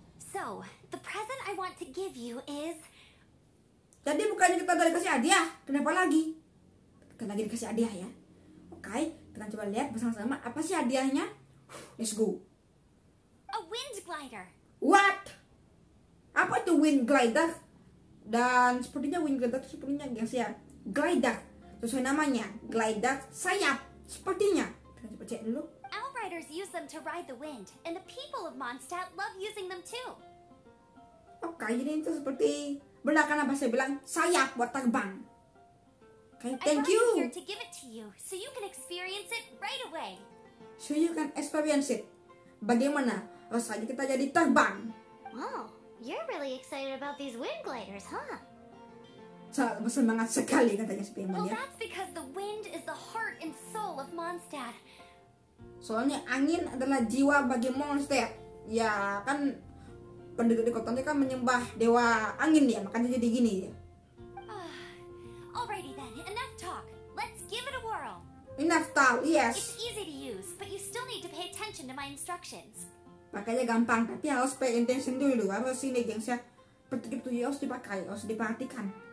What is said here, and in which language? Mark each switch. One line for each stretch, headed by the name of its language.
English: So, the present I want to give you is.
Indonesian: Jadi bukannya kita udah dikasih hadiah? Kenapa lagi? Kan lagi dikasih hadiah ya. Okay. Kita coba lihat bersama-sama apa sih hadiahnya.
English: Let's go. A wind glider.
Indonesian: What? Apa itu wind glider? Dan sepertinya wind glider itu sepertinya gengs ya, glider. Sesuai namanya, glider sayap sepertinya. Kita coba cek dulu.
English: Owl riders use them to ride the wind, and the people of Mondstadt love using them too.
Indonesian: Okay, ini itu seperti benar kan apa saya bilang, sayap buat terbang. Okay,
English: thank you. I brought it here to give it to you, so you can experience it right away. So you can experience it.
Indonesian: Bagaimana rasanya kita jadi terbang?
English: Wow, you're really excited about these wind gliders, huh?
Indonesian: Sangat semangat sekali katanya si Pemon ya.
English: Well, that's because the wind is the heart and soul of Mondstadt.
Indonesian: Soalnya angin adalah jiwa bagi Mondstadt. Ya kan penduduk di kota ini kan menyembah dewa angin ya, makanya jadi gini ya.
English: Alrighty then, enough talk. Let's give it a whirl. Enough talk, yes. It's easy to use, but you still need to pay attention to my instructions.
Indonesian: Pakainya gampang, tapi harus
English: pay attention
Indonesian: dulu. Harus ini, gengs ya. Petik itu harus dipakai, harus diperhatikan.